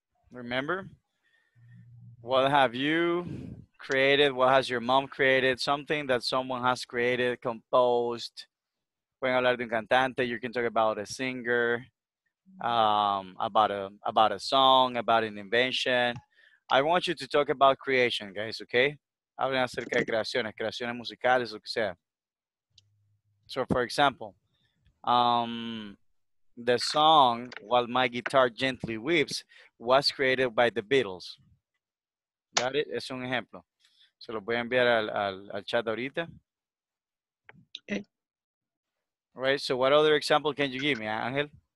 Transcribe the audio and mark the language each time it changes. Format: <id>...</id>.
<en>Remember? What have you created? What has your mom created? Something that someone has created, composed.</en> <es>Pueden hablar de un cantante.</es> <en>You can talk about a singer, about a song, about an invention. I want you to talk about creation, guys, okay?</en> <es>Hablen acerca de creaciones musicales, lo que sea.</es> <en>So, for example, the song "While My Guitar Gently Weeps" was created by the Beatles. Got it?</en> <es>Es un ejemplo. Se lo voy a enviar al chat ahorita.</es> <en>Okay. All right, so what other example can you give me, Angel?</en>